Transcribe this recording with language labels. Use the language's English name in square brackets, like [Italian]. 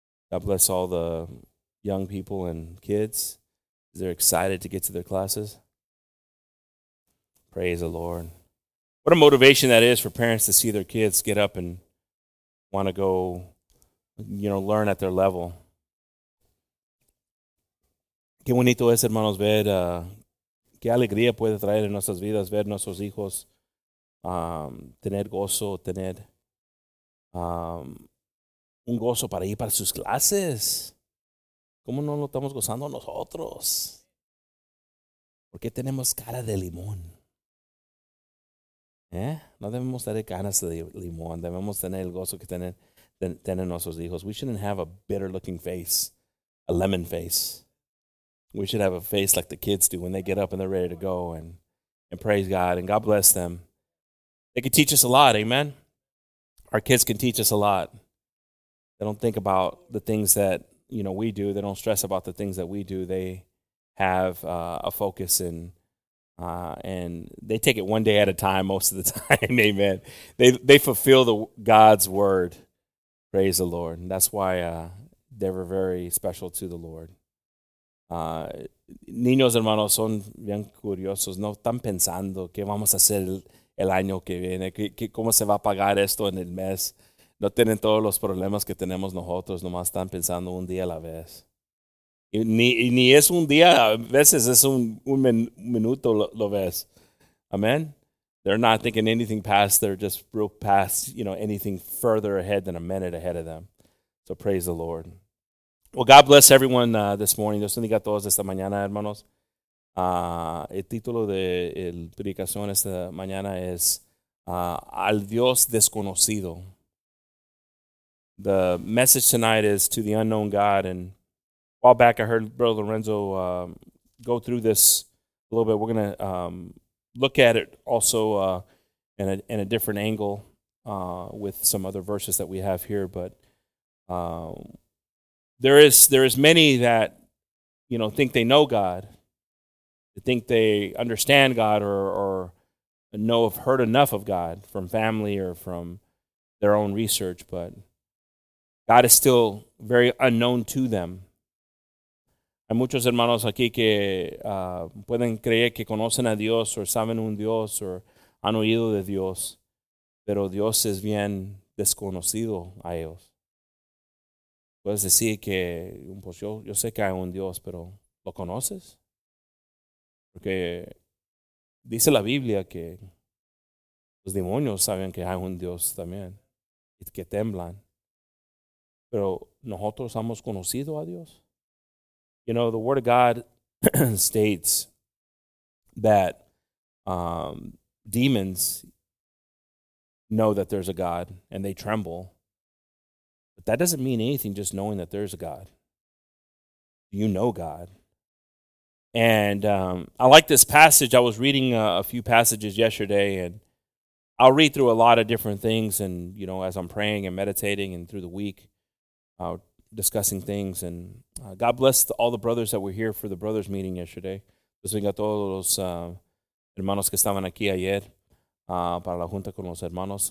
[English] God bless all the young people and kids. They're excited to get to their classes. Praise the Lord. What a motivation that is for parents to see their kids get up and want to go, you know, learn at their level. [Spanish] Qué bonito es, hermanos, ver qué alegría puede traer en nuestras vidas ver nuestros hijos tener gozo, tener un gozo para ir para sus clases. ¿Cómo no lo estamos gozando nosotros? ¿Por qué tenemos cara de limón? ¿Eh? No debemos tener ganas de limón. Debemos tener el gozo que tienen nuestros hijos. [English] We shouldn't have a bitter-looking face, a lemon face. We should have a face like the kids do when they get up and they're ready to go and praise God and God bless them. They can teach us a lot, amen? Our kids can teach us a lot. They don't think about the things that, you know, we do. They don't stress about the things that we do. They have a focus and they take it one day at a time most of the time, amen? They fulfill God's word, praise the Lord. And that's why they were very special to the Lord. [Spanish] Niños, hermanos, son bien curiosos, ¿no? Están pensando qué vamos a hacer el año que viene, cómo se va a pagar esto en el mes. No tienen todos los problemas que tenemos nosotros, nomás están pensando un día a la vez. Y ni es un día, a veces es un minuto lo ves. Amen. [English] They're not thinking anything past, they're just real past, you know, anything further ahead than a minute ahead of them. So praise the Lord. Well, God bless everyone this morning. [Spanish] Dios bendiga a todos esta mañana, hermanos. El título de la predicación esta mañana es Al Dios Desconocido. [English] The message tonight is to the unknown God. And a while back, I heard Brother Lorenzo go through this a little bit. We're going to look at it also in a different angle with some other verses that we have here. But There is many that, you know, think they know God, they think they understand God or know, have heard enough of God from family or from, their own research, but God is still very unknown to them. [Spanish] Hay muchos hermanos aquí que pueden creer que conocen a Dios o saben un Dios o han oído de Dios, pero Dios es bien desconocido a ellos. Puedes decir que, pues yo sé que hay un Dios, pero ¿lo conoces? Porque dice la Biblia que los demonios saben que hay un Dios también y que temblan. Pero nosotros hemos conocido a Dios. [English] You know, the Word of God states that demons know that there's a God and they tremble. But that doesn't mean anything, just knowing that there's a God. You know God. And I like this passage. I was reading a few passages yesterday, and I'll read through a lot of different things. And, you know, as I'm praying and meditating and through the week, discussing things. And God bless all the brothers that were here for the brothers meeting yesterday. [Spanish] Dios bendiga a todos los hermanos que estaban aquí ayer para la junta con los hermanos.